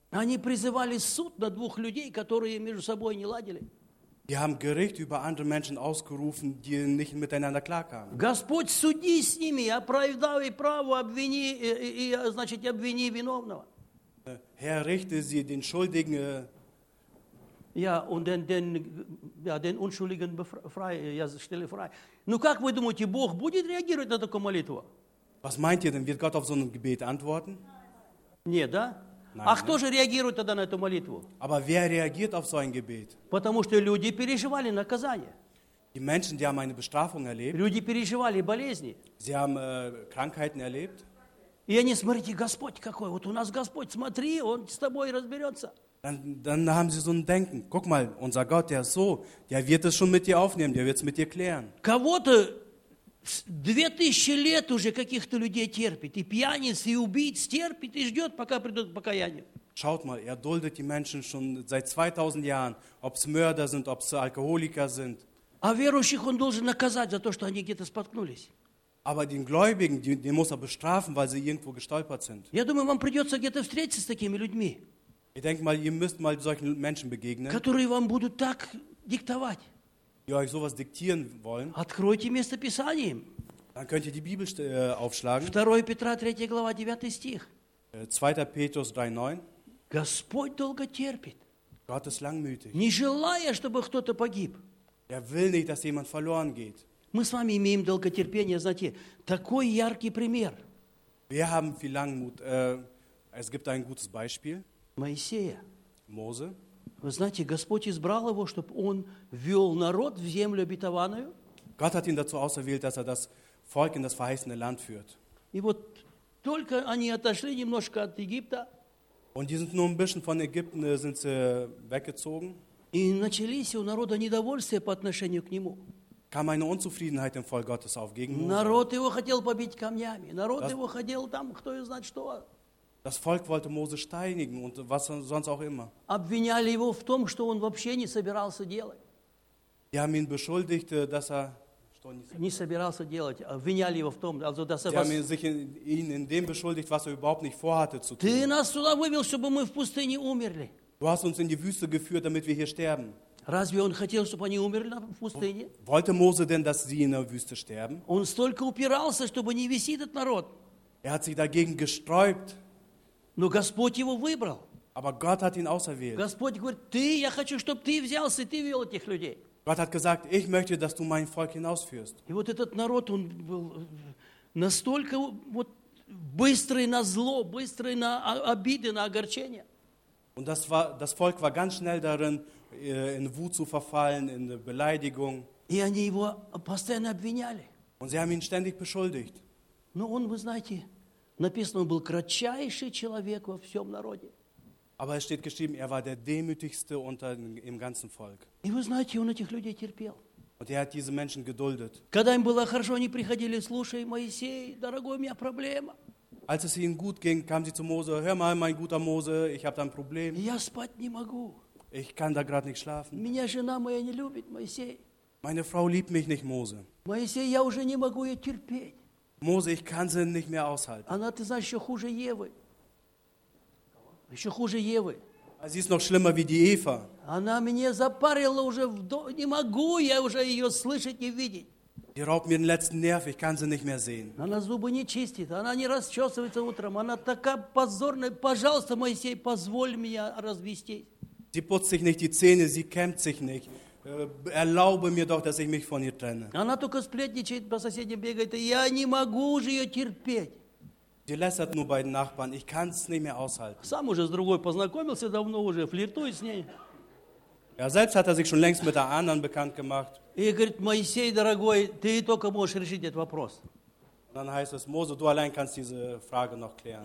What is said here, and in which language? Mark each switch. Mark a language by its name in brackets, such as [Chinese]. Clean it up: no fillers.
[Russian] Они призывали суд на двух людей, которые между собой не ладили. [German] Die haben Gericht über andere Menschen ausgerufen, die nicht miteinander klarkamen. [Russian] Господь, суди с ними, оправдай право, обвини, и, значит, обвини виновного. [German] Herr, richte sie den Schuldigen. Ja, und den Unschuldigen frei, ja, stelle frei. [Russian] Ну, как вы думаете, Бог будет реагировать на такую молитву? [German] Was meint ihr denn? Wird Gott auf so ein Gebet antworten? [Russian] Нет, да? [German] Nein, [Russian] а кто же реагирует тогда на эту молитву? [German] Aber wer reagiert auf so ein Gebet? [Russian] Потому что люди переживали наказание. [German] Die Menschen, die haben eine Bestrafung erlebt. [Russian] Люди переживали болезни. [German] Sie haben Krankheiten erlebt. [Russian] И они, смотрите, Господь какой, вот у нас Господь, смотри, Он с тобой разберется. [German] Dann haben sie so ein Denken. Guck mal, unser Gott, der ist so, der wird es schon mit dir aufnehmen, der wird es mit dir klären. [Russian] Кого-то 2000 лет уже каких-то людей терпит, и пьяниц, и убийц терпит, и ждет, пока придут покаяние. [German] Schaut mal, duldet die Menschen schon seit 2000 Jahren, ob es Mörder sind, ob es Alkoholiker sind. [Russian] А верующих он должен наказать за то, что они где-то споткнулись. [German] Aber den Gläubigen, den muss er bestrafen, weil sie irgendwo gestolpert sind. [Russian] Я думаю, вам придется где-то встретиться с такими людьми. [German] Ich denke mal, ihr müsst mal solchen Menschen begegnen, [Russian] которые вам будут так диктовать. [German] Die euch sowas diktieren wollen. [Russian] Откройте место Писания. [German] Dann könnt ihr die Bibel aufschlagen. [Russian] 2 Петра, 3 глава, 9 стих. [German] 2 Petrus 3:9. [Russian] Господь долго терпит. [German] Gott ist langmütig. [Russian] Не желая, чтобы кто-то погиб. [German] Er will nicht, dass jemand verloren geht. [Russian] Мы с вами имеем долготерпение, знаете, такой яркий пример. [German] Wir haben viel Langmut. Es gibt ein gutes Beispiel. [Russian] Моисея. [German] Mose. [Russian] Вы знаете, Господь избрал его, чтобы он вёл народ в землю обетованную. [German] Gott hat ihn dazu auserwählt, dass er das Volk in das verheißene Land führt. [Russian] И вот только они отошли немножко от Египта. [German] Und die sind nur ein bisschen von Ägypten sind sie weggezogen. [Russian] И начались у народа недовольствия по отношению к нему. [German] Kam eine Unzufriedenheit im Volk Gottes auf gegen Mose. [Russian] Народ его хотел побить камнями. Народ его хотел там, кто его знает что. [German] Das Volk wollte Mose steinigen und was sonst auch immer. [Russian] Обвиняли его в том, что он вообще не собирался делать. [German] Die haben ihn beschuldigt, dass er [Russian] что не собирался делать. Обвиняли его в том, [German] also dass er was. Die haben sich ihn in dem beschuldigt, was er überhaupt nicht vorhatte zu tun. [Russian] Ты нас сюда вывел, чтобы мы в пустыне умерли. [German] Du hast uns in die Wüste geführt, damit wir hier sterben. [Russian] Разве он хотел, чтобы они умерли в пустыне? [German] Wollte Mose denn, dass sie in der Wüste sterben? [Russian] Он столько упирался, чтобы не вести этот народ. [German] Er hat sich dagegen gesträubt. [Russian] Но Господь его выбрал. [German] Aber Gott hat ihn auserwählt. [Russian] Господь говорит, ты, я хочу, чтобы ты взялся, ты вел этих людей. [German] Gott hat gesagt, ich möchte, dass du mein Volk hinausführst. [Russian] И вот этот народ, он был настолько вот быстрый на зло, быстрый на обиды, на огорчение. [German] Und das Volk war ganz schnell darin, in Wut zu verfallen, in Beleidigung. [Russian] И они его постоянно обвиняли. [German] Und sie haben ihn ständig beschuldigt. [Russian] Но он, вы знаете, написано, он был кратчайший человек во всем народе. [German] Aber es steht geschrieben, er war der demütigste unter im ganzen Volk. [Russian] И вы знаете, он этих людей терпел. [German] Und er hat diese Menschen geduldet. [Russian] Когда им было хорошо, они приходили, слушай, Моисей, дорогой, у меня проблема. [German] Als es ihnen gut ging, kamen sie zu Mose, hör mal, mein guter Mose, ich habe da ein Problem. [Russian] Я спать не могу. [German] Ich kann da gerade nicht schlafen. [Russian] Меня жена моя не любит, Моисей. [German] Meine Frau liebt mich nicht, Mose. [Russian] Моисей, я уже не могу ее терпеть. [German] Mose, ich kann sie nicht mehr aushalten. [Russian] Она, ты знаешь, еще хуже Евы. Еще хуже Евы. [German] Sie ist noch schlimmer wie die Eva. [Russian] Она меня запарила уже, не могу я уже ее слышать, не видеть. [German] Sie raubt mir den letzten Nerv, ich kann sie nicht mehr sehen. [Russian] Она зубы не чистит, она не расчесывается утром, она такая позорная. Пожалуйста, Моисей, позволь мне развестись. [German] Sie putzt sich nicht die Zähne, sie kämmt sich nicht. Erlaube mir doch, dass ich mich von ihr trenne. [Russian] Она только сплетничает по соседям, бегает, я не могу же ее терпеть. [German] Die lästert nur bei den Nachbarn. Ich kann es nicht mehr aushalten. [Russian] Сам уже с другой познакомился давно уже, флиртует с ней. [German] Ja, selbst hat er sich schon längst mit der anderen bekannt gemacht. [Russian] И говорит, Моисей, дорогой, ты только можешь решить этот вопрос. [German] Dann heißt es, Mose, du allein kannst diese Frage noch klären.